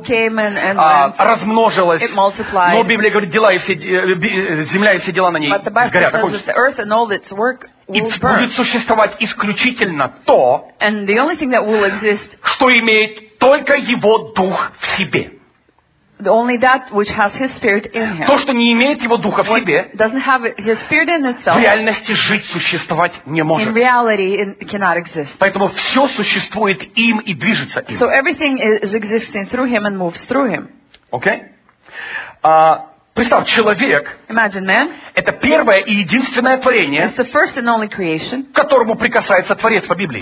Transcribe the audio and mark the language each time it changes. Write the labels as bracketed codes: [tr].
[en] it came and [ru] размножилось. [en] It multiplied. [ru] Но Библия говорит, дела и все, земля и все дела на ней сгорят. [en] The earth and all its work will и burn. [ru] Будет существовать исключительно то, [en] and the only thing that will exist, [ru] что имеет только его дух в себе. [en] Only that which has his spirit in him. [ru] То, что не имеет его духа в себе, [en] doesn't have his spirit in itself, [ru] в реальности жить, существовать не может. [en] In reality, it cannot exist. [ru] Поэтому все существует им и движется им. [en] So everything is existing through him and moves through him. [ru] Okay? Представь, человек [en] Imagine man. [ru] Это первое и единственное творение, [en] It's the first and only creation, [ru] к которому прикасается Творец по Библии.